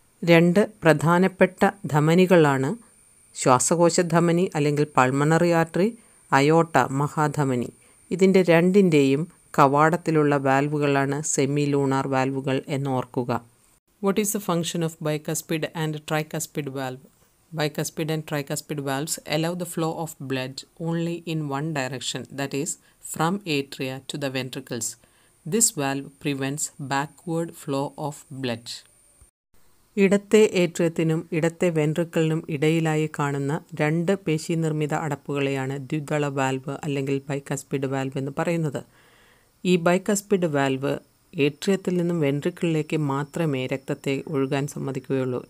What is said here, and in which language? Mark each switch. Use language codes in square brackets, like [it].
[ml] രണ്ട് പ്രധാനപ്പെട്ട ധമനികളാണ് ശ്വാസകോശ ധമനി അല്ലെങ്കിൽ പൾമണറി ആർട്ടറി, അയോട്ട മഹാധമനി. ഇതിൻ്റെ രണ്ടിൻ്റെയും കവാടത്തിലുള്ള വാൽവുകളാണ് സെമിലൂണാർ വാൽവുകൾ എന്നോർക്കുക. [en] What is the function of bicuspid and tricuspid valve? Bicuspid and tricuspid valves allow the flow of blood only in one direction, that is, from atria to the ventricles. This valve prevents backward flow of blood. [ml] ഇടത്തെ ഏട്രിയത്തിനും ഇടത്തെ വെൻട്രിക്കിളിനും ഇടയിലായി കാണുന്ന രണ്ട് പേശി നിർമ്മിത അടപ്പുകളെയാണ് ദ്വിദള valve അല്ലെങ്കിൽ bicuspid valve എന്ന് പറയുന്നത്. ഈ ബൈകസ്പിഡ് വാൽവ് ഏട്രിയത്തിൽ നിന്നും വെൻട്രിക്കിളിലേക്ക് മാത്രമേ രക്തത്തെ ഒഴുകാൻ സമ്മതിക്കുകയുള്ളൂ.